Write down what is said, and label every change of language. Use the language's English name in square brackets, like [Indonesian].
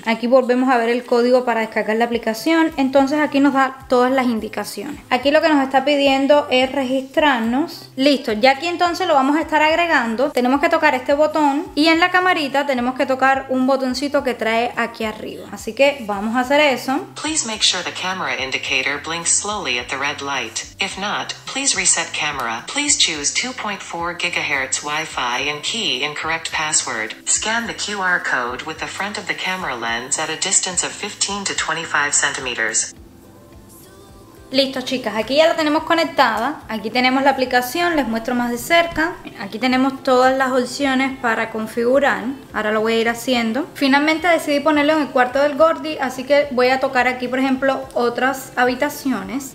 [Spanish] Aquí volvemos a ver el código para descargar la aplicación. Entonces aquí nos da todas las indicaciones. Aquí lo que nos está pidiendo es registrarnos. Listo, ya aquí entonces lo vamos a estar agregando. Tenemos que tocar este botón y en la camarita tenemos que tocar un botoncito que trae aquí arriba. Así que vamos a hacer eso. [English] Please make sure the camera indicator blinks slowly at the red light. If not, please reset camera. Please choose 2.4 GHz Wi-Fi and key incorrect password. Scan the QR code with the front of the camera lens at a distance of 15 to 25 centimeters. [Spanish] Listo, chicas, aquí ya la tenemos conectada. Aquí tenemos la aplicación, les muestro más de cerca. Aquí tenemos todas las opciones para configurar. Ahora lo voy a ir haciendo. Finalmente decidí ponerlo en el cuarto del Gordy, así que voy a tocar aquí, por ejemplo, otras habitaciones.